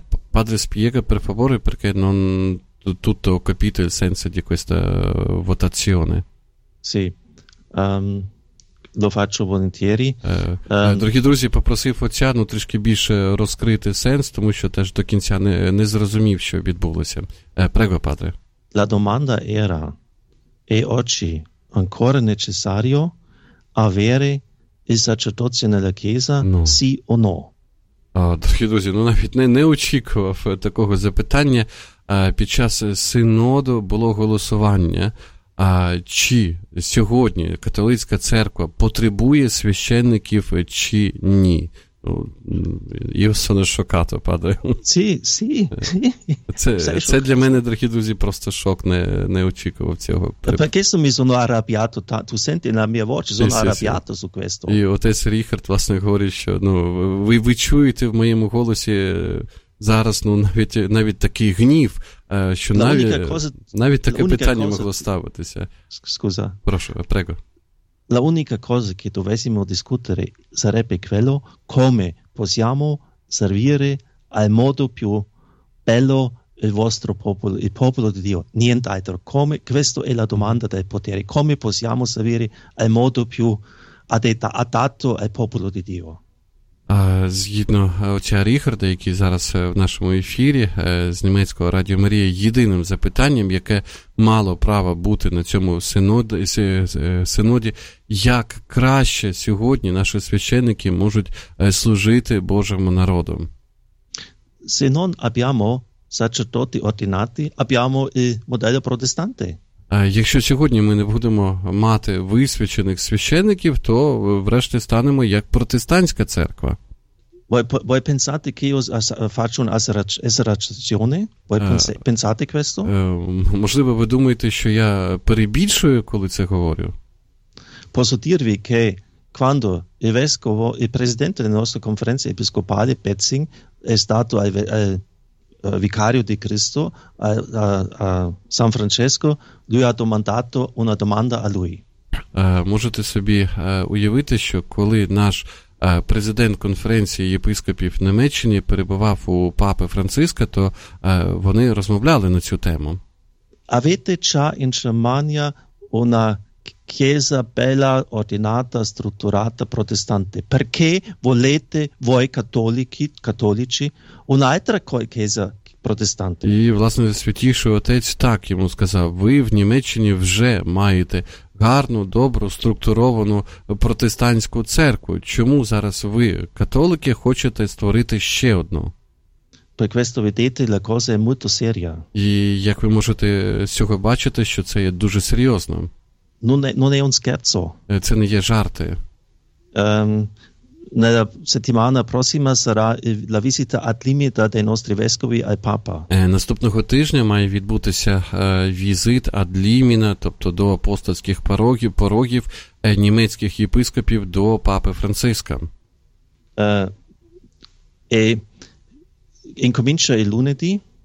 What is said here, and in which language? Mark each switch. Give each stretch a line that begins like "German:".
Italian: Падре Спієга, пер фаворе, перке нон тутто капіто іль сенсо ді кеста вотаціоне. Sì. Lo faccio volentieri.
Ukrainian: Дорогі друзі, попросив отця, ну, трішки більше розкрити сенс, тому що теж до кінця не зрозумів, що відбулося.
Italian: Prego, padre. La domanda era: e oggi ancora necessario avere il sacerdozio nella chiesa, no. Sì o no?
Ukrainian: Дорогі друзі, ну, навіть не очікував такого запитання. Під час синоду було голосування, чи сьогодні католицька церква потребує священників чи ні.
Italian: Io sono scioccato, padre. Sì, sì.
Ukrainian: Це для мене, дорогі друзі, просто шок, не очікував цього.
Italian: Perché mi sono arrabbiato, tu senti la mia voce, sono arrabbiato su questo.
Ukrainian: І отець Ріхард, власне, говорить, що, ну, ви чуєте в моєму голосі зараз, ну, навіть такий гнів, що навіть таке питання могло ставитися.
Italian: Скуза.
Ukrainian: Прошу,
Italian: prego. La unica cosa che dovessimo discutere sarebbe quello come possiamo servire al modo più bello il vostro popolo, il popolo di Dio, nient'altro. Come, questa è la domanda del potere, come possiamo servire al modo più adatto al popolo di Dio?
Ukrainian: Згідно отця Ріхарда, який зараз в нашому ефірі з німецького Радіо Марія, єдиним запитанням, яке мало права бути на цьому синоді, як краще сьогодні наші священники можуть служити Божому народу?
Italian: Se non abbiamo sacerdoti ordinati, abbiamo il modello protestante.
Ukrainian: Якщо сьогодні ми не будемо мати висвячених священників, то врешті станемо як протестантська церква.
Italian: Voi pensate che io faccio un'esercitazione? Voi pensate questo?
Ukrainian: Можливо, ви думаєте, що я перебільшую, коли це говорю?
Italian: Posso dirvi che quando il vescovo, il presidente della nostra conferenza episcopale Petzing è stato al vicario di Cristo a San Francesco, lui ha domandato una domanda a lui.
Ukrainian: Можете собі уявити, що коли наш президент конференції єпископів Німеччини перебував у папи Франциска, то вони розмовляли на цю тему.
Italian: Avete già in Germania una chiesa bella ordinata, strutturata protestante? Perché volete voi cattolici un'altra chiesa
Ukrainian: протестанти? І, власне, святіший отець так йому сказав: ви в Німеччині вже маєте гарну, добру, структуровану протестантську церкву. Чому зараз ви, католики, хочете створити ще одну?
Italian: Per questo vedete, la cosa è molto seria.
Ukrainian: І як ви можете з цього бачити, що це є дуже серйозно?
Italian: Non è un scherzo.
Ukrainian: Це не є жарти.
Italian: Nella settimana prossima sarà la visita ad limita dei nostri vescovi al Papa.
Ukrainian: Наступного тижня має відбутися візит ad limita, тобто до апостольських порогів німецьких єпископів до Папи Франциска.
Italian: Incomincia il lunedì.